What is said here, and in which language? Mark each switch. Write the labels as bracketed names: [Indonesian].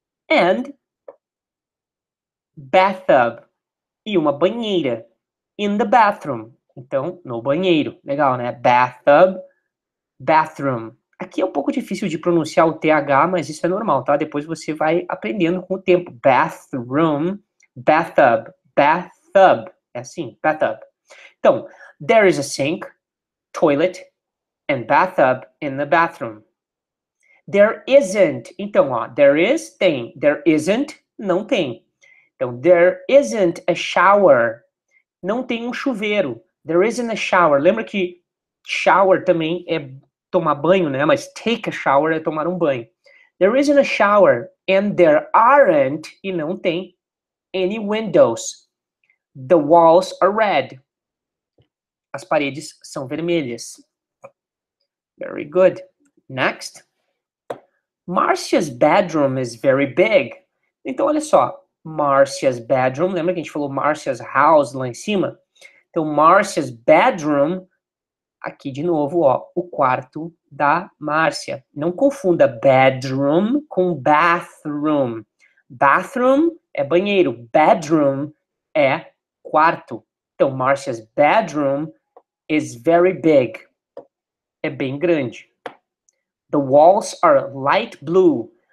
[English] And bathtub, [Portuguese] e uma banheira. [English] In the bathroom, [Portuguese] então, no banheiro. Legal, né? Bathtub, bathroom. Aqui é um pouco difícil de pronunciar o TH, mas isso é normal, tá? Depois você vai aprendendo com o tempo. [English] Bathroom, bathtub, bathtub. [Portuguese] É assim, [English] bathtub. Então, there is a sink, toilet, and bathtub in the bathroom. There isn't. Então, ó, there is, tem. There isn't, [Portuguese] não tem. [English] Então, there isn't a shower. [Portuguese] Não tem um chuveiro. [English] There isn't a shower. [Portuguese] Lembra que shower também é tomar banho, né? Mas [English] take a shower [Portuguese] é tomar um banho. [English] There isn't a shower and there aren't, [Portuguese] e não tem, [English] any windows. The walls are red. [Portuguese] As paredes são vermelhas. [English] Very good. Next. Marcia's bedroom is very big. [Portuguese] Então, olha só. Marcia's bedroom. Lembra que a gente falou Marcia's house lá em cima? Então, [English] Marcia's bedroom [Portuguese] aqui de novo, ó, o quarto da Márcia. Não confunda bedroom com bathroom. Bathroom é banheiro, bedroom é quarto. [English] Então, Márcia's bedroom is very big. [Portuguese] É bem grande. [English] The walls are light blue.